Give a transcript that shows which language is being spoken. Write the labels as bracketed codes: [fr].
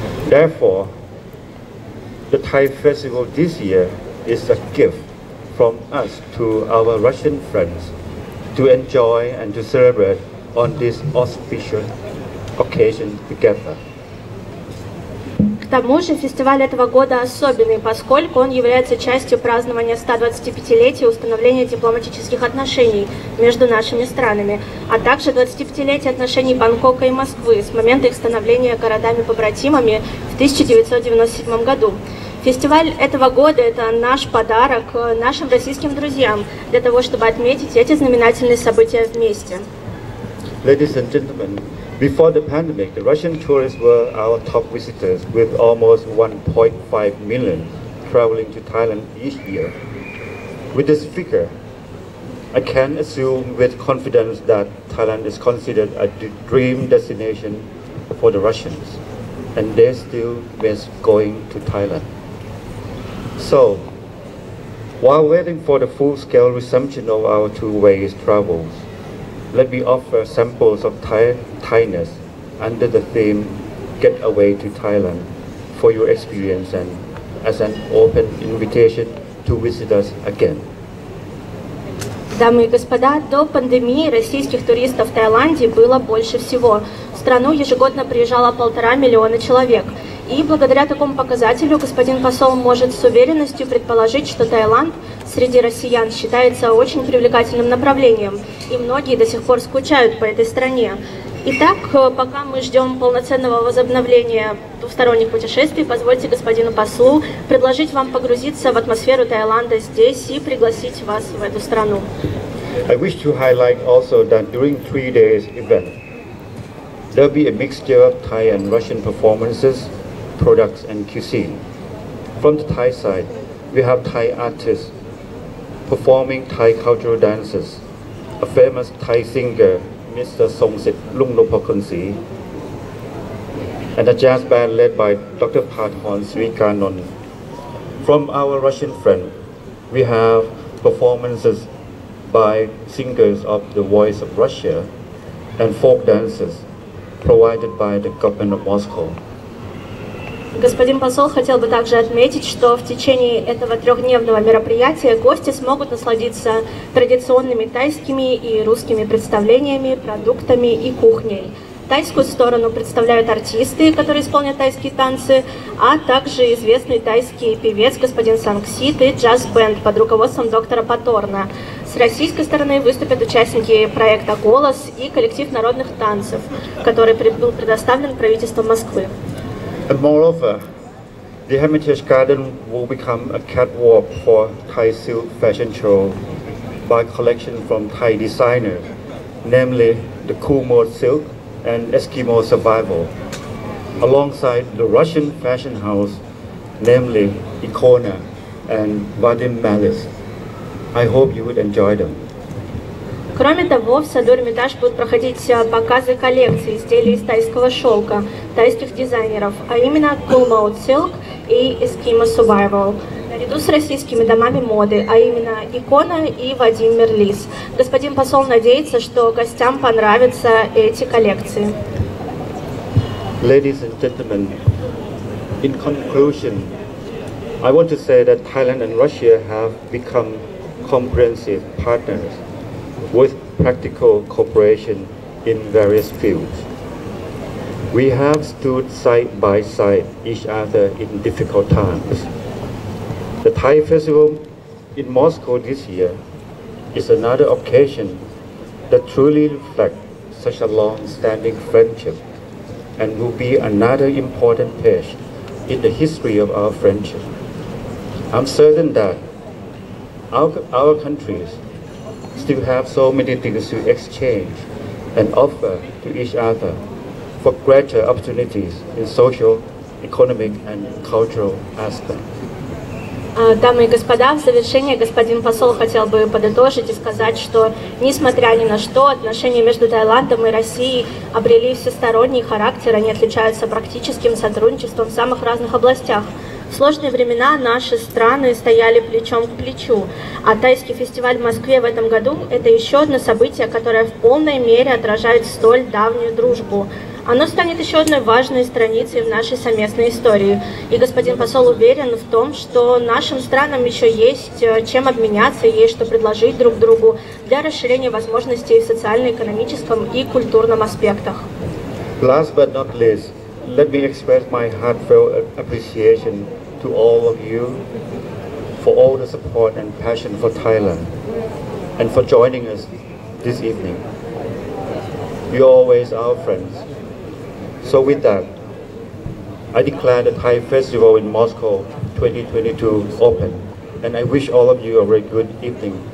[en] Therefore, the Thai festival this year is a gift from us to our Russian friends to enjoy and to celebrate on this auspicious occasion together. [ru] К тому же фестиваль этого года особенный, поскольку он является частью празднования 125-летия установления дипломатических отношений между нашими странами, а также 25-летия отношений Бангкока и Москвы с момента их становления городами-побратимами в 1997 году. Фестиваль этого года – это наш подарок нашим российским друзьям для того, чтобы отметить эти знаменательные события вместе. [en] Ladies and gentlemen, before the pandemic, the Russian tourists were our top visitors with almost 1.5 million traveling to Thailand each year. With this figure, I can assume with confidence that Thailand is considered a dream destination for the Russians, and they still miss going to Thailand. So, while waiting for the full-scale resumption of our two-way travels, let me offer samples of Thai-ness under the theme Get Away to Thailand for your experience and as an open invitation to visit us again. [ru] Дамы и господа, до пандемии российских туристов в Таиланде было больше всего. В страну ежегодно приезжало 1,5 миллиона человек. И благодаря такому показателю господин посол может с уверенностью предположить, что Таиланд среди россиян считается очень привлекательным направлением, и многие до сих пор скучают по этой стране. Итак, пока мы ждем полноценного возобновления двусторонних путешествий, позвольте господину послу предложить вам погрузиться в атмосферу Таиланда здесь и пригласить вас в эту страну. [en] I wish to highlight also that during 3 days event, there'll be a mixture of Thai and Russian performances, products and cuisine. From the Thai side, we have Thai artists performing Thai cultural dances. A famous Thai singer, Mr. Songsit Lung Lopakunsi, and a jazz band led by Dr. Pathorn Srikanon. From our Russian friend, we have performances by singers of the Voice of Russia and folk dances provided by the government of Moscow. [ru] Господин посол хотел бы также отметить, что в течение этого трехдневного мероприятия гости смогут насладиться традиционными тайскими и русскими представлениями, продуктами и кухней. Тайскую сторону представляют артисты, которые исполнят тайские танцы, а также известный тайский певец господин Сангсит и джаз-бенд под руководством доктора Паторна. С российской стороны выступят участники проекта «Голос» и коллектив народных танцев, который был предоставлен правительством Москвы. [en] And moreover, the Hermitage Garden will become a catwalk for Thai silk fashion show by collection from Thai designers, namely the Kumod silk and Eskimo survival, alongside the Russian fashion house, namely Ikona and Vadim Malis. I hope you would enjoy them. [ru] Кроме того, в саду Эрмитаж будут проходить показы коллекций изделий из тайского шелка, тайских дизайнеров, а именно Kumaud Silk и Eskimo Survival, наряду с российскими домами моды, а именно Икона и Вадим Мерлис. Господин посол надеется, что гостям понравятся эти коллекции. [en] Ladies and gentlemen, in conclusion, I want to say that Thailand and Russia have become comprehensive partners with practical cooperation in various fields. We have stood side by side each other in difficult times. The Thai festival in Moscow this year is another occasion that truly reflects such a long-standing friendship and will be another important page in the history of our friendship. I'm certain that our countries still have so many things to exchange and offer to each other for greater opportunities in social, economic and cultural aspects. [ru] Дамы и господа, в завершение господин посол хотел бы подытожить и сказать, что, несмотря ни на что, отношения между Таиландом и Россией обрели всесторонний характер, они отличаются практическим сотрудничеством в самых разных областях. В сложные времена наши страны стояли плечом к плечу, а тайский фестиваль в Москве в этом году – это еще одно событие, которое в полной мере отражает столь давнюю дружбу. Оно станет еще одной важной страницей в нашей совместной истории. И господин посол уверен в том, что нашим странам еще есть чем обменяться, есть что предложить друг другу для расширения возможностей в социально-экономическом и культурном аспектах. [en] Last but not least, let me express my heartfelt appreciation to all of you for all the support and passion for Thailand and for joining us this evening. You're always our friends. So with that, I declare the Thai Festival in Moscow 2022 open, and I wish all of you a very good evening.